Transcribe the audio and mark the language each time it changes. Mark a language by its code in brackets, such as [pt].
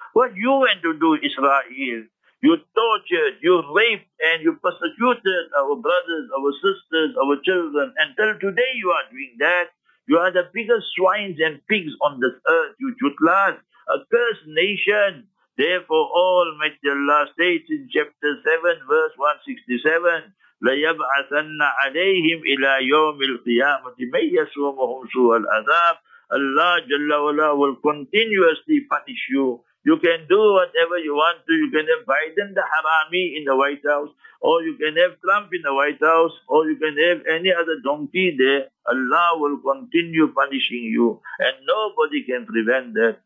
[en] What you went to do, Israel? You tortured, you raped, and you persecuted our brothers, our sisters, our children. Until today you are doing that. You are the biggest swines and pigs on this earth, you jutlas, a cursed nation. Therefore, Almighty Allah states in chapter 7, verse 167, [ar] لَيَبْعَثَنَّ عَلَيْهِمْ إِلَىٰ يَوْمِ الْقِيَامَةِ مَنْ يَسُومُهُمْ سُوَ الْعَذَابِ. [en] Allah Jalla Wala will continuously punish you. You can do whatever you want to. You can have Biden the Harami in the White House, or you can have Trump in the White House, or you can have any other donkey there. Allah will continue punishing you, and nobody can prevent that.